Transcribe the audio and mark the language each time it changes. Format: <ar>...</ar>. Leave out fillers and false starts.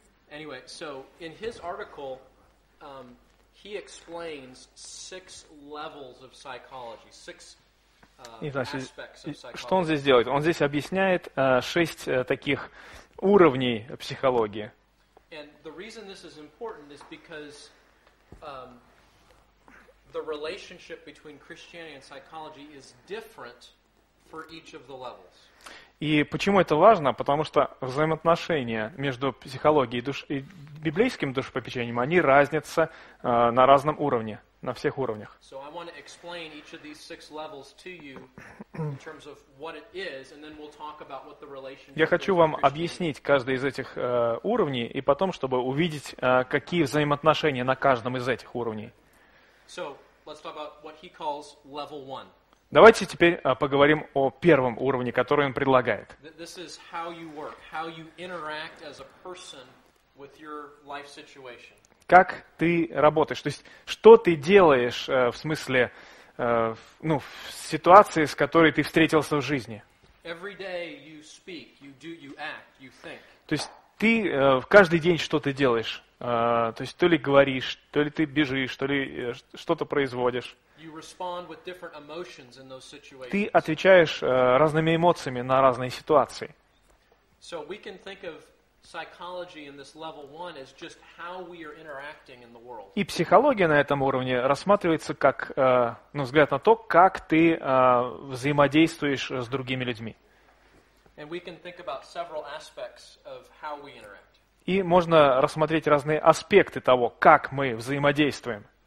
<en>Anyway, so in his article, he explains six levels of psychology, six aspects of psychology.</en> <ru>Что он здесь делает? Он здесь объясняет шесть таких уровней психологии.</ru> <en>And the reason this is important is because the the relationship between Christianity and psychology is different for each of the levels.</en> <ru>И почему это важно? Потому что взаимоотношения между психологией и библейским душепопечением, они разнятся на разном уровне, на всех уровнях.</ru> <en>So I want to explain each of these six levels to you in terms of what it is, and then we'll talk about what the relationship.</en> <ru>Я хочу вам объяснить каждый из этих уровней, и потом, чтобы увидеть, какие взаимоотношения на каждом из этих уровней.</ru> <en>So, let's talk about what he calls level one.</en> <ru>Давайте теперь поговорим о первом уровне, который он предлагает.</ru> <en>This is how you work, how you interact as a person with your life situation.</en> <ru>Как ты работаешь, то есть что ты делаешь в смысле, ну, в ситуации, с которой ты встретился в жизни.</ru> <en>Every day you speak, you do, you act, you think.</en> <ru>То есть ты каждый день что-то делаешь. То есть то ли говоришь, то ли ты бежишь, то ли что-то производишь. Ты отвечаешь разными эмоциями на разные ситуации.</ru> <en>So we can think of psychology in this level one as just how we are interacting in the world.</en> <ru>И психология на этом уровне рассматривается как, ну, взгляд на то, как ты взаимодействуешь с другими людьми.</ru> <en>And we can think about several aspects of how we interact.</en> <ru>И можно рассмотреть разные аспекты того, как мы взаимодействуем.</ru>